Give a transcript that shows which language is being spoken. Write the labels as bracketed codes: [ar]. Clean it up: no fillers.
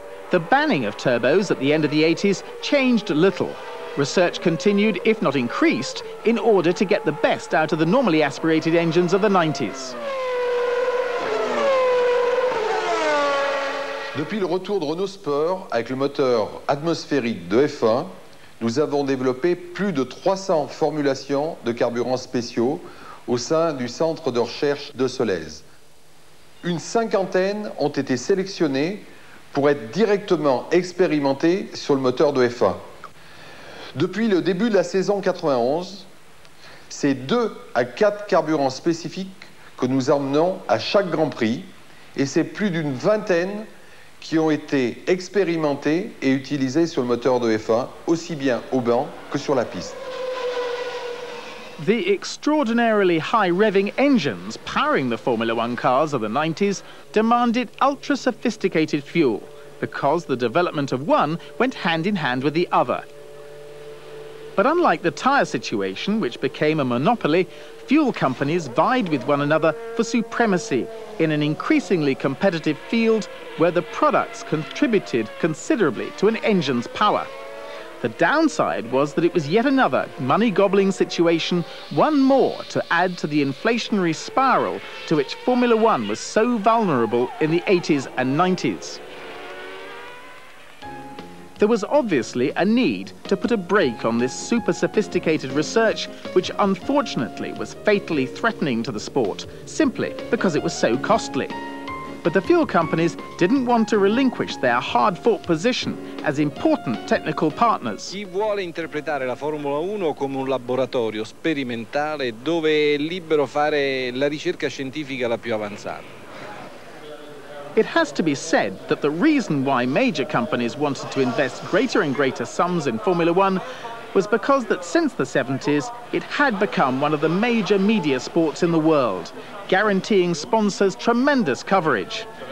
[en] The banning of turbos at the end of the 80s changed little. Research continued, if not increased, in order to get the best out of the normally aspirated engines of the 90s. [fr] Depuis le retour de Renault Sport avec le moteur atmosphérique de F1, nous avons développé plus de 300 formulations de carburants spéciaux au sein du centre de recherche de Solèze. Une cinquantaine ont été sélectionnées pour être directement expérimentées sur le moteur de F1. Depuis le début de la saison 91, c'est 2 à 4 carburants spécifiques que nous emmenons à chaque Grand Prix et c'est plus d'une vingtaine qui ont été expérimentés et utilisés sur le moteur de F1, aussi bien au banc que sur la piste. [en] The extraordinarily high revving engines powering the Formula One cars of the 90s demanded ultra-sophisticated fuel because the development of one went hand in hand with the other. But unlike the tyre situation, which became a monopoly, fuel companies vied with one another for supremacy in an increasingly competitive field where the products contributed considerably to an engine's power. The downside was that it was yet another money-gobbling situation, one more to add to the inflationary spiral to which Formula One was so vulnerable in the 80s and 90s. There was obviously a need to put a brake on this super-sophisticated research, which unfortunately was fatally threatening to the sport, simply because it was so costly. But the fuel companies didn't want to relinquish their hard-fought position as important technical partners. [it] Chi vuole interpretare la Formula 1 come un laboratorio sperimentale dove è libero fare la ricerca scientifica la più avanzata. [en] It has to be said that the reason why major companies wanted to invest greater and greater sums in Formula One was because that since the 70s, it had become one of the major media sports in the world, guaranteeing sponsors tremendous coverage.